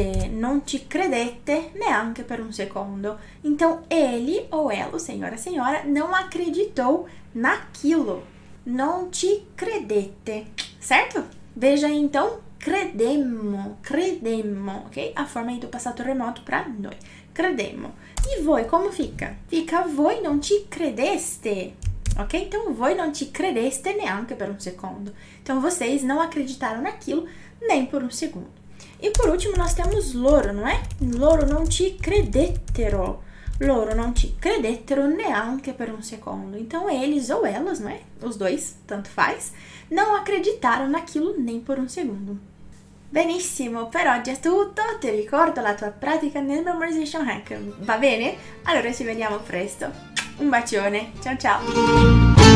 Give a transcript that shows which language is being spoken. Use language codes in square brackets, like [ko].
[it] Non ci credette neanche per un secondo. [pt] Então, ele ou ela, senhora, senhora, não acreditou naquilo. [it] Non ci credette, certo? [pt] Veja então, [it] credemmo, ok? [pt] A forma aí do passato remoto para [it] noi, credemmo. [pt] E voi, como fica? [it] Fica voi non ci credeste. Ok? Então, voi non ci credeste neanche per un secondo. [pt] Então, vocês não acreditaram naquilo nem por um segundo. E por último, nós temos loro, não é? [it] Loro non ci credettero. Loro non ci credettero neanche per un secondo. [pt] Então, eles ou elas, não é? Os dois, tanto faz, não acreditaram naquilo nem por um segundo. [it] Benissimo, per oggi è tutto. Ti ricordo la tua pratica nel Memorization Hack. Va bene? Allora, ci vediamo presto. Un bacione. Ciao, ciao.